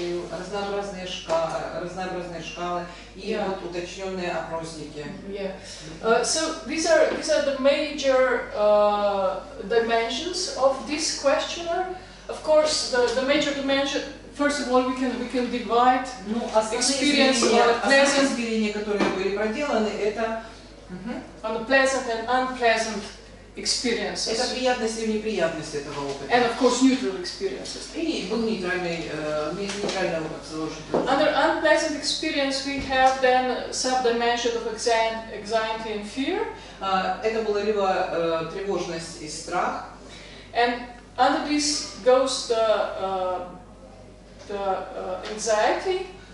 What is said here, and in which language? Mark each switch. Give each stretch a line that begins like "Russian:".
Russian: Разнообразные шкалы и вот уточненные опросники.
English: So these are the major dimensions of this questionnaire. Of course, the major dimension. First of all, we can divide experience Pleasant.
Russian: Измерения, которые были проделаны, это
English: On the pleasant and unpleasant experiences.
Russian: Это приятности и неприятности этого опыта.
English: And of course, neutral experiences.
Russian: И был нейтральный опыт заложен.
English: Under unpleasant experience, we have then subdimension of anxiety and fear.
Russian: Это была либо тревожность и страх.
English: And under this goes the anxiety.